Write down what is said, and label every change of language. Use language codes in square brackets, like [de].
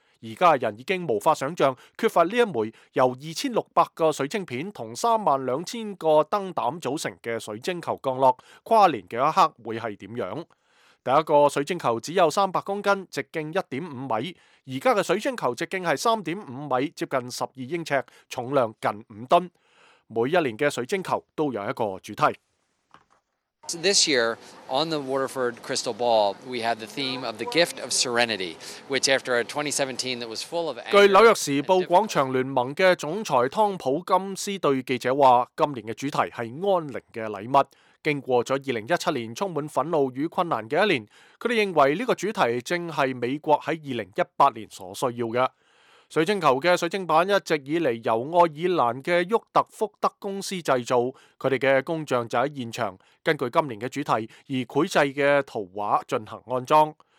[zh] 现在人已经无法想象缺乏这一枚由2600个水晶片和32000个灯胆组成的水晶球降落跨年的一刻会是怎样。第一个水晶球只有300公斤，直径 1.5 米。现在的水晶球直径是 3.5 米，接近12英尺，重量近5吨。每一年的水晶球都有一个主题。 [en] This year on the Waterford Crystal Ball, we had the theme of the gift of serenity, which after a 2017 that was full of anger. [zh] 据纽约时报广场联盟的总裁汤普金斯对记者说，今年的主题是安宁的礼物。经过了2017年充满愤怒与困难的一年，他们认为这个主题正是美国在2018年所需要的。水晶球的水晶板一直以来由爱尔兰的沃特福德公司制造，他们的工匠就在现场根据今年的主题而绘制的图画进行安装。